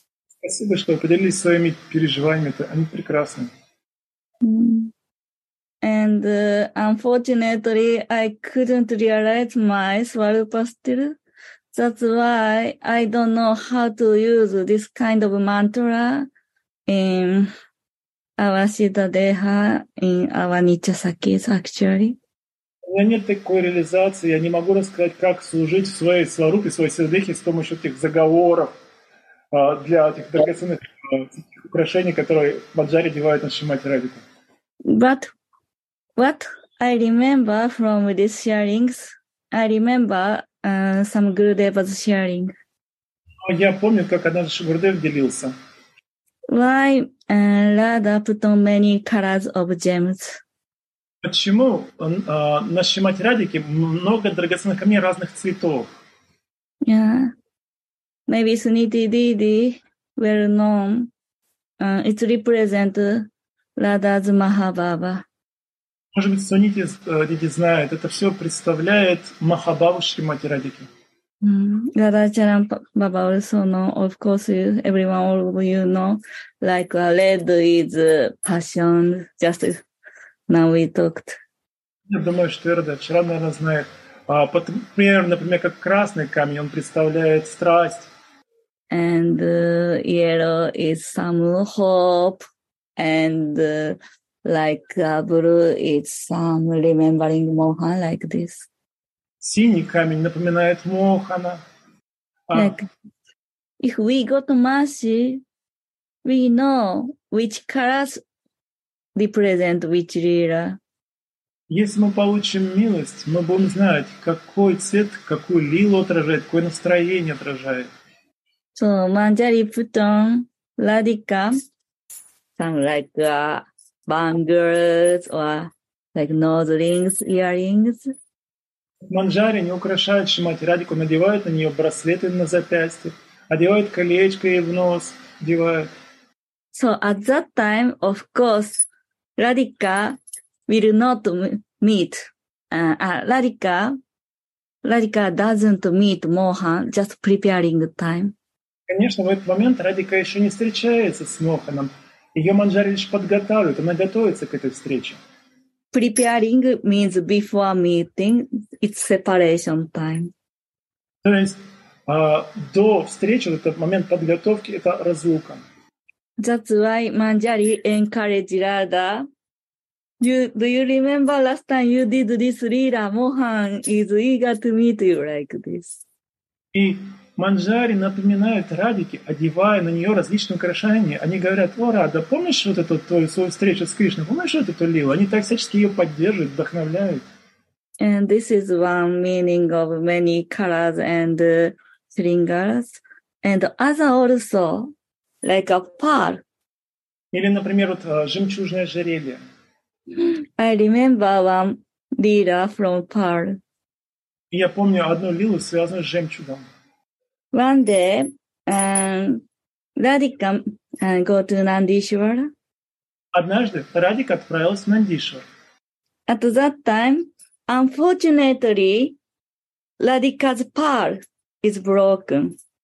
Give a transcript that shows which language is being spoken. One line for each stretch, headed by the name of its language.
Russian: Спасибо, что поделились своими переживаниями. Они прекрасны.
English: And unfortunately, I couldn't realize my Swarupa still. That's why I don't know how to use this kind of mantra in our Siddha Deha, in our Nitya Sakis, actually.
Russian: У меня нет такой реализации, я не могу рассказать, как служить в своей Сварупе, в своей Сиддхе с помощью этих заговоров для этих драгоценных украшений, которые Баджари одевают на Шримати Радхике.
English: But what I remember from these sharings, I remember some Gurudev was sharing.
Russian: Я помню, как однажды Гурудев делился.
English: Why Radha put on many colors of gems?
Russian: Почему на Шримати Радике много драгоценных камней разных цветов?
English: Yeah. Maybe Suniti Didi, well known, it represents Radha's Mahabhava.
Russian: Может быть, Суните дети знают, это все представляет Махабаву Шримати Радике.
English: Радхачаран Баба also know, of course, you, everyone all of you know, like red is passion, just now we talked.
Russian: Я думаю, что Радхачаран, наверное, знает. Например, как красный камень, он представляет страсть.
English: And yellow is some hope, and like blue, it's some remembering Mohan, like this.
Russian: Синий камень напоминает Мохана.
English: Like, if we go to mercy, we know which colors represent which lila.
Russian: Если мы получим милость, мы будем знать, какой цвет, какую лилу отражает, какое настроение отражает.
English: So, Manjari Putong, Radhika, some like bangles or like nose rings, earrings.
Russian: Манджари не украшает Шимати Радику, надевают на нее браслеты на запястье, одевают колечко ей в нос, одевают.
English: So at that time, of course, Radhika will not meet. Radhika doesn't meet Mohan, just preparing time.
Russian: Конечно, в этот момент Радика еще не встречается с Моханом. Ее Манджари лишь подготавливает, она готовится к этой встрече.
English: Preparing means before meeting, it's separation time.
Russian: То есть до встречи, этот момент подготовки, это разлука.
English: That's why Manjari encouraged Radha. Do you remember last time you did this lila? Mohan is eager to meet you like this.
Russian: И Манджари напоминает Радике, одевая на нее различные украшения. Они говорят: «О, Рада, помнишь вот эту твою свою встречу с Кришной? Помнишь вот эту лилу?» Они так всячески ее поддерживают, вдохновляют.
English: And this is one meaning of many colors and sringars. And as also, like a pearl.
Russian: Или, например, вот жемчужное ожерелье.
English: I remember one lila from pearl.
Russian: Я помню одну лилу, связанную с жемчугом.
English: One day, Radhika go to Nandishwara.
Russian: Однажды Радика отправилась в Нандишвар.
English: At that time, unfortunately, Radhika's pearl is broken.